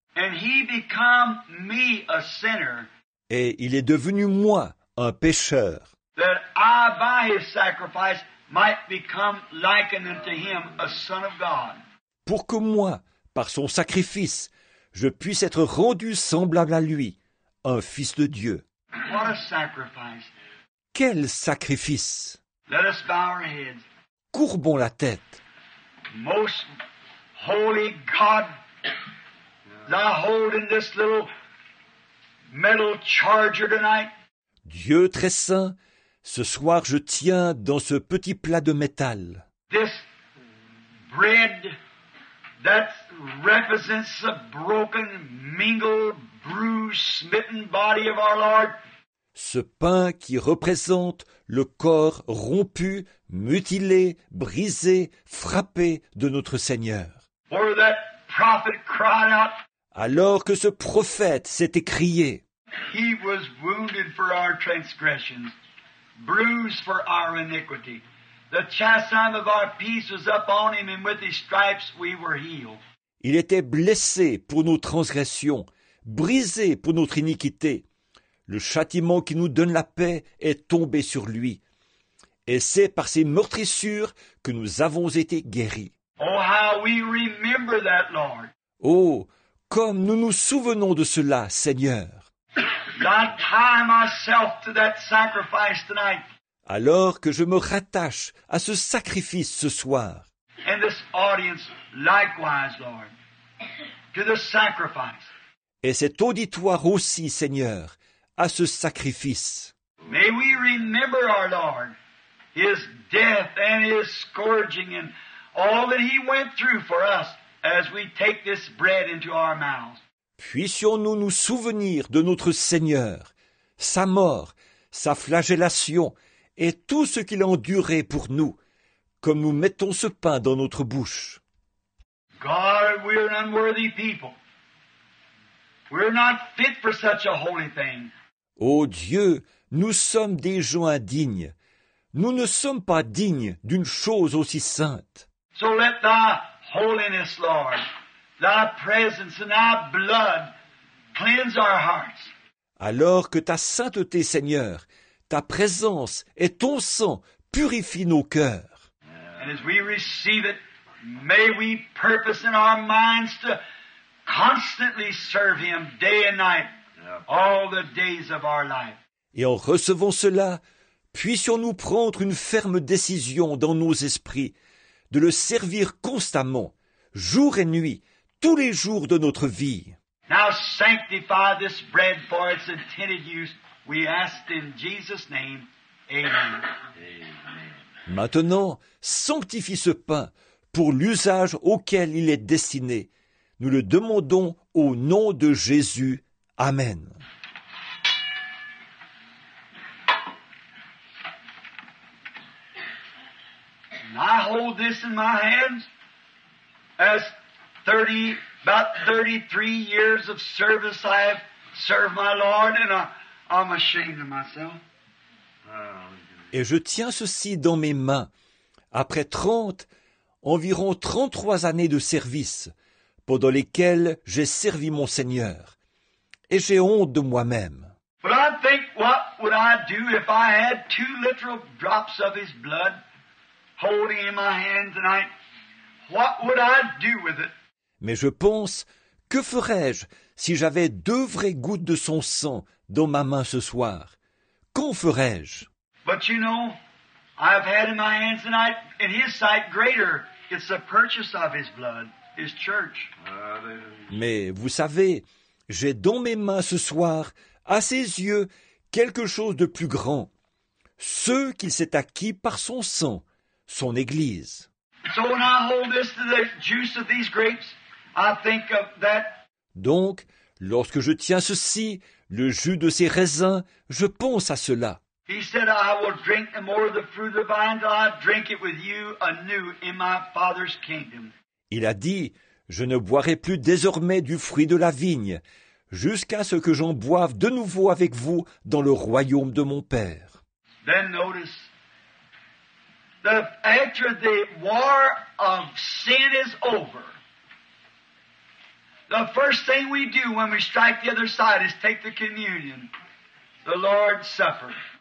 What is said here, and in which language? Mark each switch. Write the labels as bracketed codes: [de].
[en] And he became me a sinner. [fr] Et il est devenu moi un pécheur. [en] That I by his sacrifice might become likened unto him a son of God. [fr] Pour que moi, par son sacrifice, je puisse être rendu semblable à lui, un fils de Dieu. [en] What a sacrifice. [fr] Quel sacrifice. [en] Let us bow our heads. [fr] Courbons la tête. [en] Most holy God, thou hold in this little metal charger tonight. [fr] Dieu très saint, ce soir, je tiens dans ce petit plat de métal. [en] This bread that represents the broken, mingled, bruised, smitten body of our Lord. [fr] Ce pain qui représente le corps rompu, mutilé, brisé, frappé de notre Seigneur. [en] For that prophet cried out. [fr] Alors que ce prophète s'est écrié. [en] He was wounded for our transgressions. Bruised for our iniquity. The chastisement of our peace was upon him, and with his stripes we were healed. [fr] Il était blessé pour nos transgressions, brisé pour notre iniquité. Le châtiment qui nous donne la paix est tombé sur lui. Et c'est par ses meurtrissures que nous avons été guéris. [en] Oh, how we remember that, Lord. [fr] Oh, comme nous nous souvenons de cela, Seigneur. [en] God, tie myself to that sacrifice tonight. [fr] Alors que je me rattache à ce sacrifice ce soir. [en] And this audience, likewise, Lord, to the sacrifice. [fr] Et cet auditoire aussi, Seigneur, à ce sacrifice. [en] May we remember our Lord, his death and his scourging and all that he went through for us as we take this bread into our mouths. [fr] Puissions-nous nous souvenir de notre Seigneur, sa mort, sa flagellation et tout ce qu'il a enduré pour nous, comme nous mettons ce pain dans notre bouche. [en] God, we're an unworthy people. We're not fit for such a holy thing. [fr] Ô Dieu, nous sommes des gens indignes. Nous ne sommes pas dignes d'une chose aussi sainte. [en] So let thy holiness, Lord, thy presence and thy blood cleanse our hearts. [fr] Alors que ta sainteté, Seigneur, ta présence et ton sang purifient nos cœurs. [en] And as we receive it, may we purpose in our minds to constantly serve him day and night, all the days of our life. [fr] Et en recevant cela, puissions-nous prendre une ferme décision dans nos esprits de le servir constamment, jour et nuit, tous les jours de notre vie. [en] Now sanctify this bread for its intended use. We ask in Jesus' name. Amen. [fr] Maintenant, sanctifie ce pain pour l'usage auquel il est destiné. Nous le demandons au nom de Jésus. Amen. [en] I hold this in my hands as about 33 years of service I have served my Lord, and I'm ashamed of myself. [fr] Et je tiens ceci dans mes mains après 30, environ 33 années de service pendant lesquelles j'ai servi mon Seigneur. Et j'ai honte de moi-même. [en] But I think, what would I do if I had 2 literal drops of his blood holding in my hand tonight? What would I do with it? [fr] Mais je pense, que ferais-je si j'avais 2 vraies gouttes de son sang dans ma main ce soir? Qu'en ferais-je? [en] But you know, I've had in my hands tonight, in his sight, greater. It's the purchase of his blood, his church. [fr] Mais vous savez, j'ai dans mes mains ce soir, à ses yeux, quelque chose de plus grand. Ce qu'il s'est acquis par son sang, son Église. [en] So when I hold this to the juice of these grapes, I think of that. [fr] Donc, lorsque je tiens ceci, le jus de ces raisins, je pense à cela. [en] He said, I will drink the more of the fruit of the vine till I drink it with you anew in my Father's kingdom. [fr] Il a dit, je ne boirai plus désormais du fruit de la vigne, jusqu'à ce que j'en boive de nouveau avec vous dans le royaume de mon Père. [en] Then notice, after the war of sin is over, the first thing we do when we strike the other side is take the communion, the Lord's Supper.